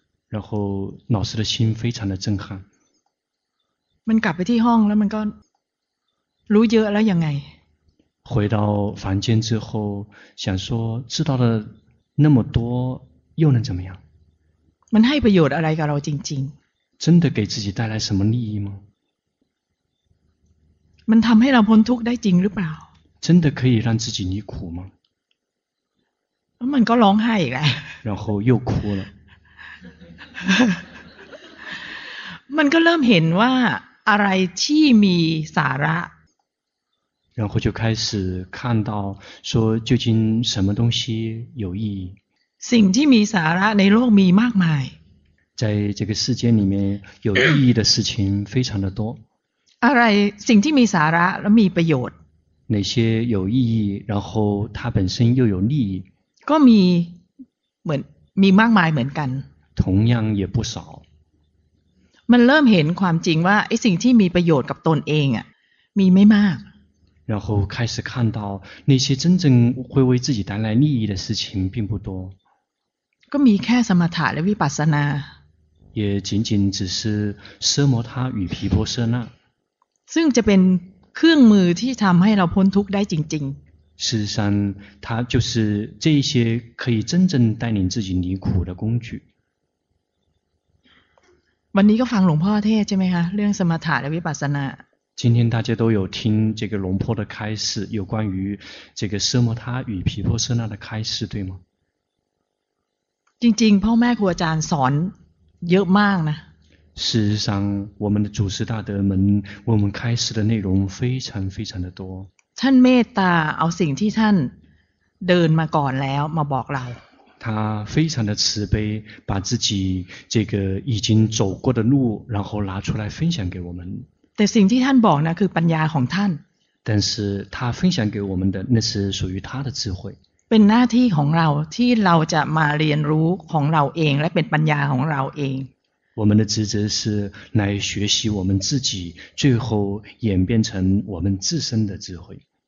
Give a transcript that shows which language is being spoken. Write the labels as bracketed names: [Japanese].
[Chinese] 然后老师的心非常的震撼 [Thai] มันกลับไปที่ห้องแล้วมันก็รู้เยอะแล้วยังไง [Chinese] 回到房间之后想说知道了那么多又能怎么样 [Thai] มันให้ประโยชน์อะไรกับเราจริง [Chinese] ๆ真的给自己带来什么利益吗 [Thai] มันทำให้เราพ้นทุกข์ได้จริงหรือเปล่า [Chinese] 真的可以让自己离苦吗 [Thai] มันก็ร้องไห้อีกแล้ว [Chinese] 然后又哭了 [Thai] มันก็เริ่มเห็นว่าอะไรที่มีสาระ [Chinese] 然后就开始看到说究竟什么东西有意义 [Thai] สิ่งที่มีสาระในโลกมีมากมาย [Chinese] 在这个世界里面有意义的事情非常的多 [Thai] อะไรสิ่งที่มีสาระและมีประโยชน์ [Chinese] 哪些有意义然后它本身又有利益 [Thai] ก็มีเหมือนมีมากมายเหมือนกัน [Chinese] 同样也不少 [Thai] มันเริ่มเห็นความจริงว่าไอ้สิ่งที่มีประโยชน์กับตนเองอ่ะมีไม่มาก [Chinese] 然后开始看到那些真正会为自己带来利益的事情并不多 [Thai] ก็มีแค่สมถะและวิปัสสนา [Chinese] 也仅仅只是奢摩他与毗婆舍那 [Thai] ซึ่งจะเป็นเครื่องมือที่ทำให้เราพ้นทุกข์ได้จริง [Chinese] ๆ事实上它就是这一些可以真正带领自己离苦的工具 [Thai] วันนี้ก็ฟังหลวงพ่อเทศใช่ไหมคะเรื่องสมถะและวิปัสสนา [Chinese] 今天大家都有听这个龙坡的开示有关于这个奢摩他与毗婆舍那的开示对吗 [Thai] จริงๆพ่อแม่ครูอาจารย์สอนเยอะมากนะ [Chinese] 事实上我们的祖师大德们为我们开示的内容非常非常的多 [Thai] ท่านเมตตาเอาสิ่งที่ท่านเดินมาก่อนแล้วมาบอกเรา [Chinese] 他非常的慈悲把自己这个已经走过的路然后拿出来分享给我们 [Thai] แต่สิ่งที่ท่านบอกนะคือปัญญาของท่าน [Chinese] 但是他分享给我们的那是属于他的智慧 [Thai] เป็นหน้าที่ของเราที่เราจะมาเรียนรู้ของเราเองและเป็นปัญญาของเราเอง [Chinese] 我们的职责是来学习我们自己最后演变成我们自身的智慧